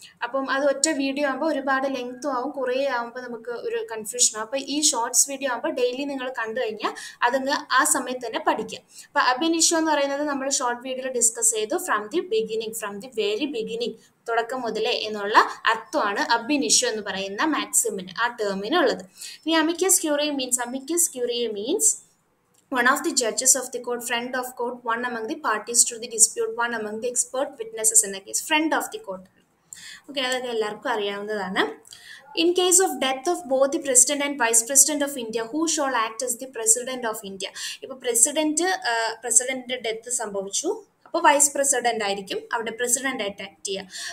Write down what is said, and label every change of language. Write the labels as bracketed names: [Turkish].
[Malayalam] അപ്പം അത് ഒറ്റ വീഡിയോ ആകുമ്പോൾ ഒരുപാട് ലെങ്ത്തും ആവും, കുറേ ആകുമ്പോൾ നമുക്ക് ഒരു കൺഫ്യൂഷൻ ആവും. അപ്പം ഈ ഷോർട്സ് വീഡിയോ ആകുമ്പോൾ ഡെയിലി നിങ്ങൾ കണ്ടു കഴിഞ്ഞാൽ അതിങ്ങ് ആ സമയത്ത് തന്നെ പഠിക്കുക. അപ്പം അബിനിഷോ എന്ന് പറയുന്നത് നമ്മൾ ഷോർട്ട് വീഡിയോയിൽ ഡിസ്കസ് ചെയ്തു [English] from the beginning from the very beginning [Malayalam] തുടക്കം മുതലേ എന്നുള്ള അർത്ഥമാണ് അബിനിഷോ എന്ന് പറയുന്ന മാക്സിമിന് ആ ടേമിനുള്ളത്. ഇനി [English] Amicus curiae means one of the judges of the court, friend of court, one among the parties to the dispute, one among the expert witnesses in a case. Friend of the court. [Malayalam] Okay, അതൊക്കെ എല്ലാവർക്കും അറിയാവുന്നതാണ്. [English] In case of death of both the president and vice president of India, who shall act as the president of India. [Malayalam] ഇപ്പോൾ president പ്രസിഡന്റിൻ്റെ death സംഭവിച്ചു, അപ്പോൾ vice president ആയിരിക്കും അവിടെ president ആയിട്ട് act ചെയ്യുക.